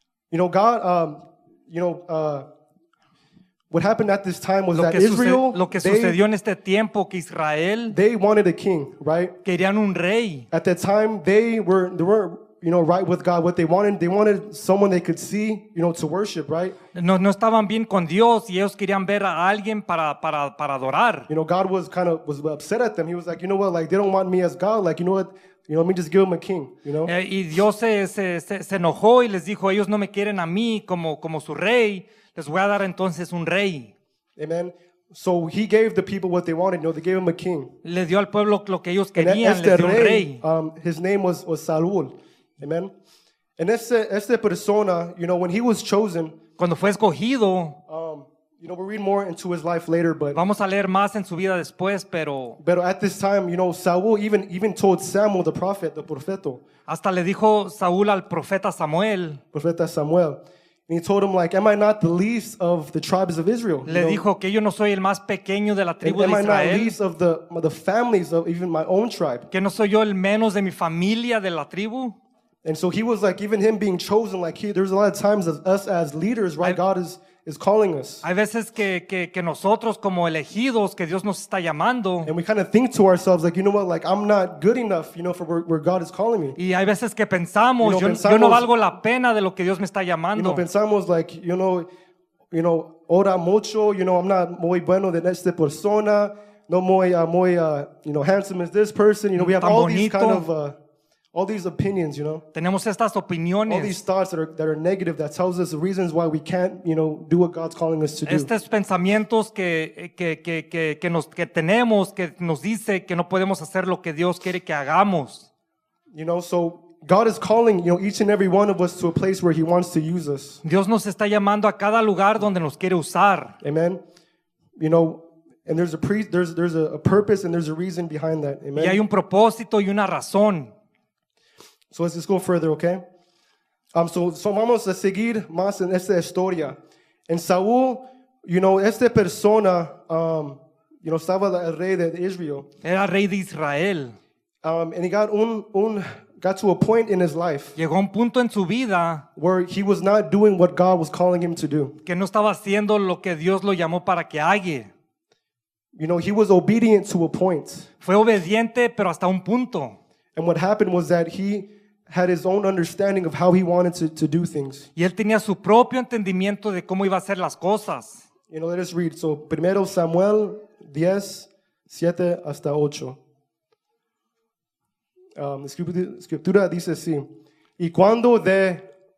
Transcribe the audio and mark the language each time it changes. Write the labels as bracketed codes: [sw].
[en] You know, God, what happened at this time was that Israel, [es] lo que sucedió en este tiempo que Israel, [en] they wanted a king, right? [es] Querían un rey. [en] At that time, they weren't right with God. What they wanted someone they could see, you know, to worship, right? [es] No estaban bien con Dios y ellos querían ver a alguien para adorar. [en] You know, God was upset at them. He was like, you know what, like they don't want me as God. Like, you know what, you know, let me just give them a king, you know? [es] Y Dios se enojó y les dijo, ellos no me quieren a mí como su rey. Les voy a dar entonces un rey. Amen. [en] So he gave the people what they wanted. No, they gave him a king. [es] Le dio al pueblo lo que ellos querían. Este le dio rey, un rey. [en] His name was Saul. Amen. And [es] esta persona, [en] you know, when he was chosen, [es] cuando fue escogido, [en] you know, we'll read more into his life later, but [es] vamos a leer más en su vida después, pero. [en] But at this time, you know, Saul even told Samuel the prophet, the profeto. [es] Hasta le dijo Saúl al profeta Samuel. Profeta Samuel. [en] And he told him, like, am I not the least of the tribes of Israel? [es] Le dijo que yo no soy el más pequeño de la tribu de Israel. [en] Am I not the least of the families of even my own tribe? [es] Que no soy yo el menos de mi familia de la tribu. [en] And so he was like, even him being chosen, like, there's a lot of times as us as leaders, right? God is calling us. [es] Hay veces que nosotros como elegidos que Dios nos está llamando. [en] And we kind of think to ourselves, like, you know what, like, I'm not good enough, you know, for where God is calling me. [es] Y hay veces que pensamos, [en] you know, [es] yo no valgo la pena de lo que Dios me está llamando. [en] You know, pensamos, like, you know, [es] ora mucho, [en] you know, I'm not [es] muy bueno de esta persona, no muy, muy, [en] you know, handsome as this person, you know, we have all these kind of... all these opinions, you know. [es] Tenemos estas opiniones. [en] All these thoughts that are negative that tells us the reasons why we can't, you know, do what God's calling us to do. [es] Estos pensamientos que tenemos que nos dice que no podemos hacer lo que Dios quiere que hagamos. [en] You know, so God is calling, you know, each and every one of us to a place where He wants to use us. [es] Dios nos está llamando a cada lugar donde nos quiere usar. [en] Amen. You know. And there's a purpose and there's a reason behind that. Amen. [es] Y hay un propósito y una razón. [en] So let's just go further, okay? [es] So vamos a seguir más en esta historia. [en] And Saul, you know, [es] esta persona, [en] you know, [es] estaba el rey de Israel. Era rey de Israel. [en] And he got to a point in his life. [es] Llegó un punto en su vida. [en] Where he was not doing what God was calling him to do. [es] Que no estaba haciendo lo que Dios lo llamó para que haga. [en] You know, he was obedient to a point. [es] Fue obediente, pero hasta un punto. [en] And what happened was that he had his own understanding of how he wanted to do things. [es] Y él tenía su propio entendimiento de cómo iba a hacer las cosas. [en] You know, let us read. So, Primero Samuel 10, 7 [es] hasta 8. Escritura dice así. Y cuando de...